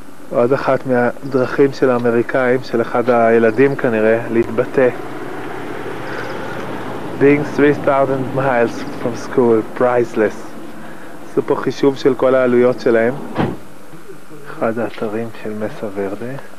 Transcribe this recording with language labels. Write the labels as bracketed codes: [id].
[he] עוד אחת מהדרכים של האמריקאים, של אחד הילדים כנראה, להתבטא. [en] Being 3,000 miles from school, priceless. [he] עשו פה חישוב של כל העלויות שלהם. אחד האתרים של מסה ורדה.